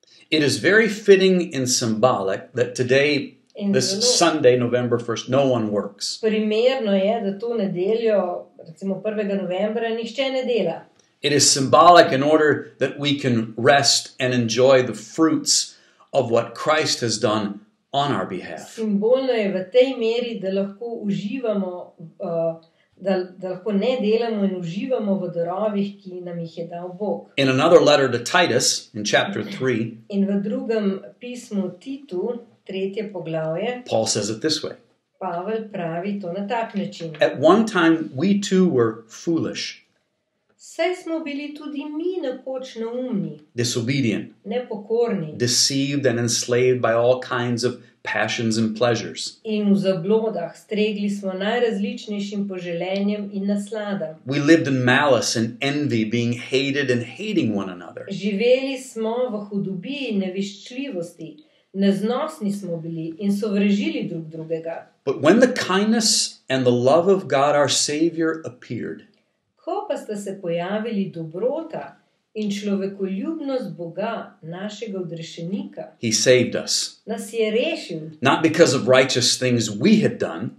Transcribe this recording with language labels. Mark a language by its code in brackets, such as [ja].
[en] It is very fitting and symbolic that today, this Sunday, November 1st, no one works. [sl] Primerno je, da to nedeljo, recimo 1. novembra, nihče ne dela. [en] It is symbolic in order that we can rest and enjoy the fruits of what Christ has done on our behalf. [sl] Simbolno je v tej meri, da lahko uživamo da lahko ne delamo in uživamo v darovih, ki nam jih je dal Bog. [en] In another letter to Titus in chapter 3. [sl] In v drugem pismu Titu, tretje poglavje. [en] Paul says it this way. [sl] Pavel pravi to na tak način. [en] At one time we too were foolish. [sl] Saj smo bili tudi mi nekoč neumni. [en] Disobedient. [sl] Nepokorni. [en] Deceived and enslaved by all kinds of passions and pleasures. [sl] In v zablodah stregli smo najrazličnejšim poželenjem in nasladam. [en] We lived in malice and envy, being hated and hating one another. [sl] Živeli smo v hudobi in neviščljivosti. Neznosni smo bili in sovražili drug drugega. [en] But when the kindness and the love of God our Savior appeared, [sl] ko pa sta se pojavili dobrota in človekoljubnost Boga, našega odrešenika, [en] he saved us. [sl] Nas je rešil. [en] Not because of righteous things we had done,